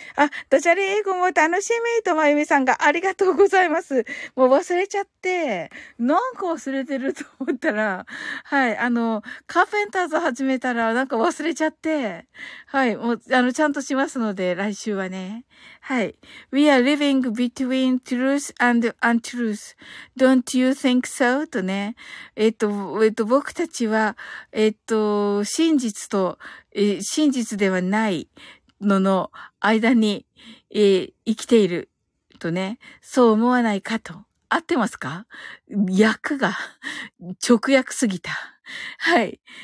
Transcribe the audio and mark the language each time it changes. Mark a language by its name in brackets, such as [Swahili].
[Japanese] あ、ダジャレ英語も楽しみと、まゆみさんがありがとうございます。もう忘れちゃって、なんか忘れてると思ったら、はい、カーペンターズ始めたらなんか忘れちゃって、はい、もう、ちゃんとしますので、来週はね。はい。 [English] We are living between truth and untruth. Don't you think so? とね。 [Japanese] 僕たちは、真実と、真実ではない、の間に、生きているとね、そう思わないかと。合ってますか？訳が直訳すぎた。はい。